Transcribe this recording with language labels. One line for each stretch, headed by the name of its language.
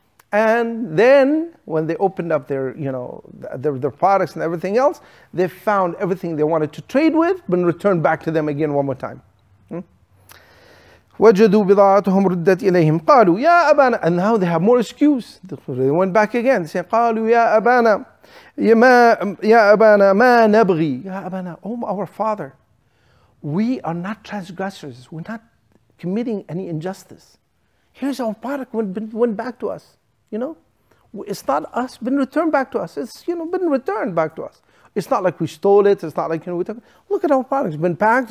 English: And then when they opened up their, you know, their products and everything else, they found everything they wanted to trade with been returned back to them again one more time.
Arabic: وَجَدُوا بِضَاعَتُهُمْ رُدَّتْ إِلَيْهِمْ قَالُوا يَا أَبَانَا.
English: And now they have more excuse. They went back again. Say,
Arabic: قَالُوا يَا أَبَانَا يَا أَبَانَا مَا نَبْغِي. يَا أَبَانَا,
English: oh, our father, we are not transgressors. We're not committing any injustice. Here's our product went back to us. You know, it's not us, been returned back to us. It's, you know, been returned back to us. It's not like we stole it. It's not like, you know, we took it. Look at our products. It's been packed.